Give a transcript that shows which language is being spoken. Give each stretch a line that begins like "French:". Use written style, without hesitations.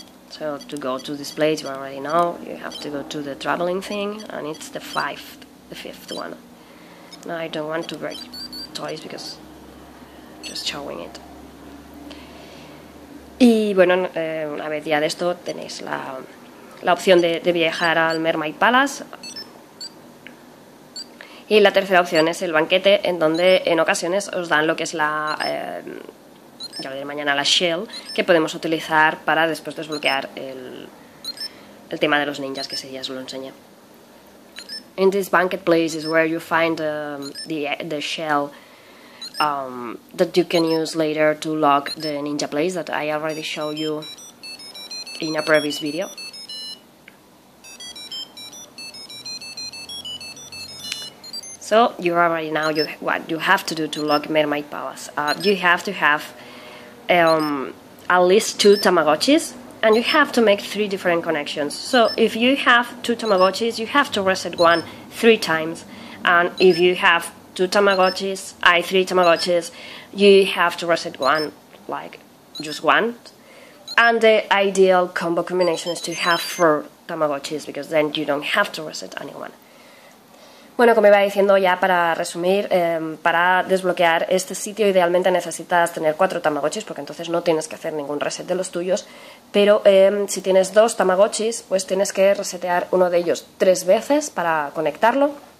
English: So, to go to this place, you already know, you have to go to the traveling thing, and it's the fifth one. Now, I don't want to break toys, because I'm just showing it.
Spanish: Y bueno, una vez ya de esto, tenéis la opción de viajar al Mermaid Palace. Y la tercera opción es el banquete, en donde en ocasiones os dan lo que es la, ya lo diré mañana, la shell, que podemos utilizar para después desbloquear el tema de los ninjas, que ya os lo enseñé.
English: In this banquet place is where you find the shell. That you can use later to lock the ninja place that I already showed you in a previous video. So you already know what you have to do to lock Mermaid Palace. You have to have at least two Tamagotchis, and you have to make three different connections. So if you have two Tamagotchis, you have to reset one three times, and if you have three Tamagotchis, you have to reset one, like, just one. And the ideal combo combination is to have four Tamagotchis, because then you don't have to reset anyone.
Spanish: Bueno, como iba diciendo, ya para resumir, para desbloquear este sitio idealmente necesitas tener 4 tamagotchis, porque entonces no tienes que hacer ningún reset de los tuyos, pero si tienes 2 tamagotchis, pues tienes que resetear uno de ellos 3 veces para conectarlo.